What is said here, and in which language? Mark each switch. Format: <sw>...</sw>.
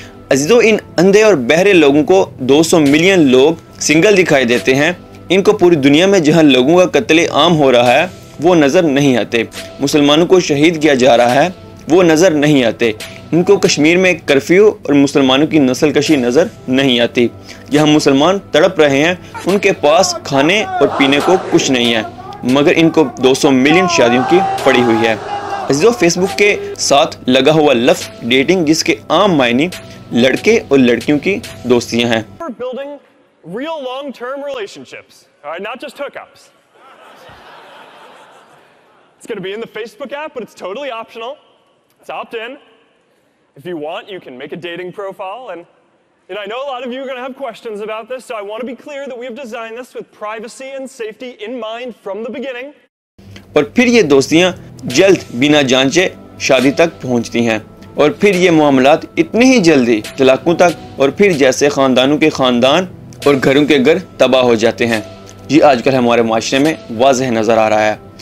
<ur>عزیزو، ان اندھے اور بہرے لوگوں کو 200 ملین لوگ سنگل دکھائی دیتے ہیں، ان کو پوری دنیا میں جہاں لوگوں کا قتل عام ہو رہا ہے وہ نظر نہیں آتے، مسلمانوں کو شہید کیا جا رہا ہے وہ نظر نہیں آتے، ان کو کشمیر میں کرفیو اور مسلمانوں کی نسل کشی نظر نہیں آتی، جہاں مسلمان تڑپ رہے ہیں ان کے پاس کھانے اور پینے کو کچھ نہیں ہے، مگر ان کو 200 ملین شادیوں کی پڑی ہوئی ہے۔ عزیزو، فیس بک کے ساتھ لگا ہوا لفظ ڈیٹنگ، جس کے عام معنی لڑکے اور لڑکیوں کی دوستیاں ہیں۔</ur> <en>We're building real long-term relationships, all right, not just hookups. It's going to be in the Facebook app, but it's totally optional. It's opt-in. If you want, you can make a dating profile. And I know a lot of you are going to have questions about this, so I want to be clear that we have designed this with privacy and safety in mind from the beginning.</en> <ur>اور پھر یہ دوستیاں جلد بنا جانچے شادی تک پہنچتی ہیں، اور پھر یہ معاملات اتنے ہی جلدی طلاقوں تک، اور پھر جیسے خاندانوں کے خاندان اور گھروں کے گھر تباہ ہو جاتے ہیں۔ یہ آج کل ہمارے معاشرے میں واضح نظر آ رہا ہے،</ur>